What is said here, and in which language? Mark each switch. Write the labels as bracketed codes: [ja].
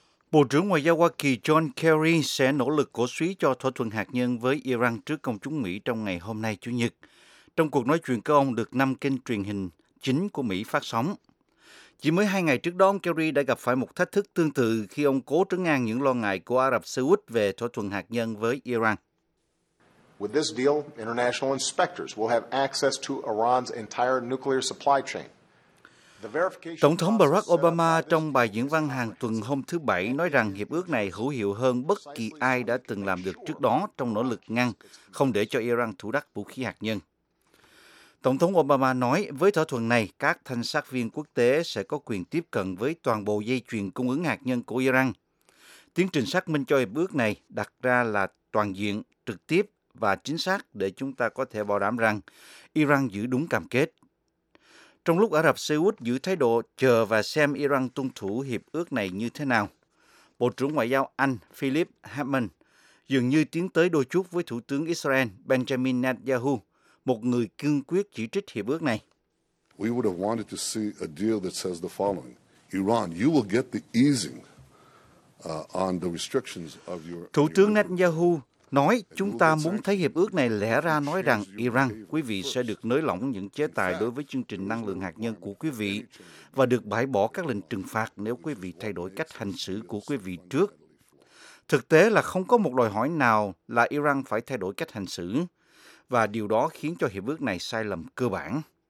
[vi] Bộ trưởng Ngoại giao Hoa Kỳ John Kerry sẽ nỗ lực cổ suý cho thỏa thuận hạt nhân với Iran trước công chúng Mỹ trong ngày hôm nay Chủ nhật, trong cuộc nói chuyện của ông được 5 kênh truyền hình chính của Mỹ phát sóng. Chỉ mới 2 ngày trước đó, ông Kerry đã gặp phải một thách thức tương tự khi ông cố trấn an những lo ngại của Ả Rập Xê Út về thỏa thuận hạt nhân với Iran. [en] With this deal, international inspectors will have access to Iran's entire nuclear supply chain. [vi] Tổng thống Barack Obama trong bài diễn văn hàng tuần hôm thứ Bảy nói rằng hiệp ước này hữu hiệu hơn bất kỳ ai đã từng làm được trước đó trong nỗ lực ngăn, không để cho Iran thủ đắc vũ khí hạt nhân. Tổng thống Obama nói, với thỏa thuận này, các thanh sát viên quốc tế sẽ có quyền tiếp cận với toàn bộ dây chuyền cung ứng hạt nhân của Iran. Tiến trình xác minh cho hiệp ước này đặt ra là toàn diện, trực tiếp và chính xác để chúng ta có thể bảo đảm rằng Iran giữ đúng cam kết. Trong lúc Ả Rập Xê Út giữ thái độ chờ và xem Iran tuân thủ hiệp ước này như thế nào, Bộ trưởng Ngoại giao Anh Philip Hammond dường như tiến tới đôi chút với Thủ tướng Israel Benjamin Netanyahu, một người cương quyết chỉ trích hiệp ước này. [en] We would have wanted to see a deal that says the following: Iran, you will get the easing on the restrictions of your. [vi] Thủ tướng Netanyahu nói, chúng ta muốn thấy hiệp ước này lẽ ra nói rằng Iran, quý vị sẽ được nới lỏng những chế tài đối với chương trình năng lượng hạt nhân của quý vị và được bãi bỏ các lệnh trừng phạt nếu quý vị thay đổi cách hành xử của quý vị trước. Thực tế là không có một đòi hỏi nào là Iran phải thay đổi cách hành xử, và điều đó khiến cho hiệp ước này sai lầm cơ bản.